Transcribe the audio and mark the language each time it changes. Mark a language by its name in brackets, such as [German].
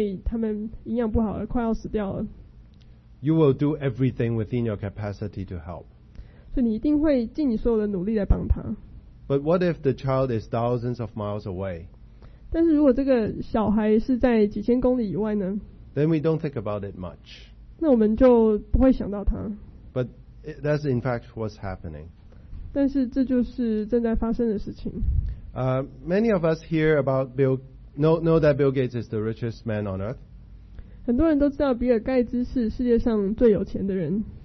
[Chinese] 所以當你住的社區裡面有一個小孩因為他們營養不好而快要死掉了, [English] You will do everything within your capacity to help. [Chinese] 所以你一定會盡你所有的努力來幫他。 [English] But what if the child is thousands of miles away? [Chinese] 但是如果這個小孩是在幾千公里以外呢? [English] Then we don't think about it much. [Chinese] 那我們就不會想到他。 [English] But that's in fact what's happening. [Chinese] 但是這就是正在發生的事情。 [English] Many of us hear about know that Bill Gates is the richest man on earth. [Chinese] 很多人都知道比爾蓋茨是世界上最有錢的人。